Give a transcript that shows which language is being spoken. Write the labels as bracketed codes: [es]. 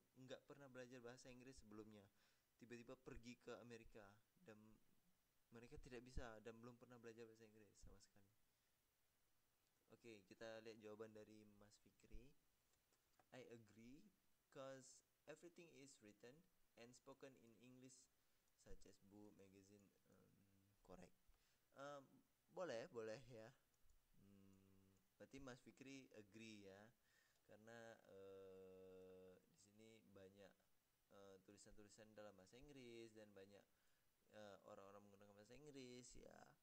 [id] nggak pernah belajar bahasa Inggris sebelumnya, tiba-tiba pergi ke Amerika dan mereka tidak bisa dan belum pernah belajar bahasa Inggris sama sekali. Oke, kita lihat jawaban dari Mas Fikri. [en] I agree, cause everything is written and spoken in English, such as book, magazine. Correct. [id] Boleh, boleh ya. Berarti Mas Fikri agree ya, karena di sini banyak tulisan-tulisan dalam bahasa Inggris dan banyak orang-orang menggunakan bahasa Inggris ya.